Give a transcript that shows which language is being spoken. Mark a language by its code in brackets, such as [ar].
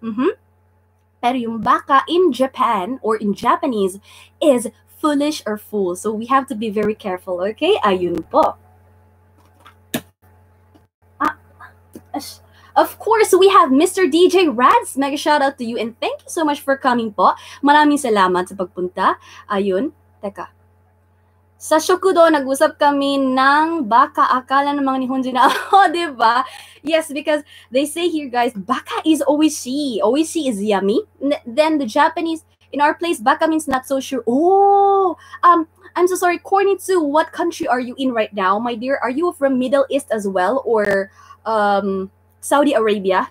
[en] Mm-hmm. [tl] Pero yung [en] baka in Japan or in Japanese is foolish or fool. So we have to be very careful, okay? Ayun po. Of course, we have Mr. DJ Rads. Mega shout out to you and thank you so much for coming po. [tl] Maraming salamat sa pagpunta. Ayun, teka. Sa Shokudo, nag-usap kami ng baka. Akala ng mga Nihonji na ako, di ba? [en] Yes, because they say here, guys, baka is oishi. Oishi is yummy. Then the Japanese, in our place, baka means not so sure. Oh, I'm so sorry. Kornitsu, what country are you in right now, my dear? Are you from Middle East as well? Or, Saudi Arabia.